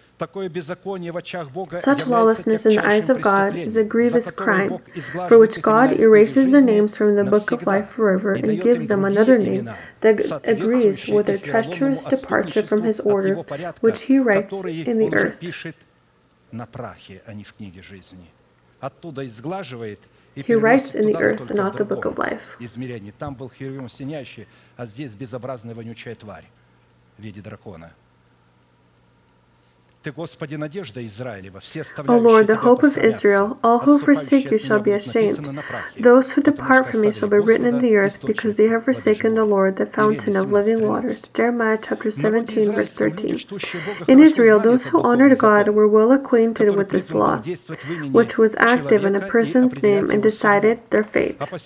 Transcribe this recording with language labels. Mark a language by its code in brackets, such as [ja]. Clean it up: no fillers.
[en] Such lawlessness in the eyes of God is a grievous crime, for which God erases their names from the book of life forever and gives them another name that agrees with their treacherous departure from His order, which He writes in the earth. He writes in the earth, not the book of life. [ru] Там был херувим синящий, а здесь безобразная вонючая тварь в виде дракона. Ты, Господи, надежда Израилева, все оставляющие тебя. [en] O Lord, the hope of Israel, all who forsake you shall be ashamed. Those who depart from me shall be written in the earth, because they have forsaken the Lord, the fountain of living waters. Jeremiah chapter 17, verse 13. In Israel, those who honored God were well acquainted with this law, which was active in a person's name and decided their fate.